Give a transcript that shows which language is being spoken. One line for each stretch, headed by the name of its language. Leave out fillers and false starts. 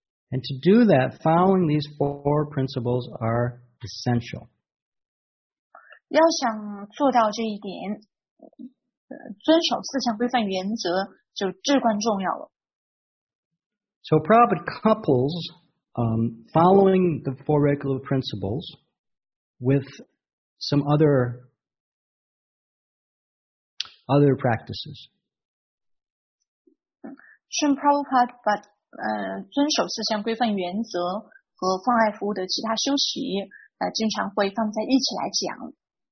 English: And to do that, following these four principles are essential.
Chinese: 要想做到这一点，遵守四项规范原则就至关重要了。
English: So Prabhupada couples, following the four regular principles with some other practices.
Chinese: 圣 Prabhupada 把遵守四项规范原则和奉爱服务的其他修习经常会放在一起来讲。